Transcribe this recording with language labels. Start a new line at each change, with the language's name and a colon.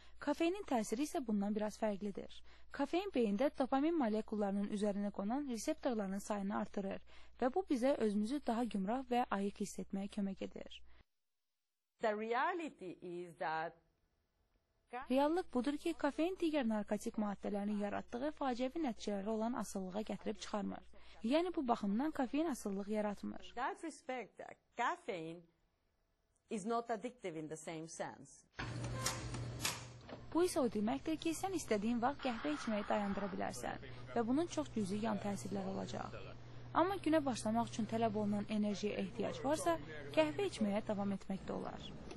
Azerbaijani: Kafeinin təsiri isə bundan biraz fərqlidir. Kafein beyində dopamin molekullarının üzərinə qonan reseptorların sayını artırır və bu bizə özümüzü daha gümrah və ayıq hiss etməyə kömək edir.
English: The reality is that...
Azerbaijani: Reallıq budur ki, kafein digər narkotik maddələrinin yaratdığı faciəvi nəticələri olan asılılığa gətirib çıxarmır. Yəni, bu baxımdan kafein asılılıq yaratmır.
English: That respect, caffeine is not addictive in the same sense.
Azerbaijani: Bu isə o deməkdir ki, sən istədiyin vaxt qəhvə içməyi dayandıra bilərsən və bunun çox cüzi yan təsirləri olacaq. Amma günə başlamaq üçün tələb olunan enerjiyə ehtiyac varsa, qəhvə içməyə davam etmək də olar.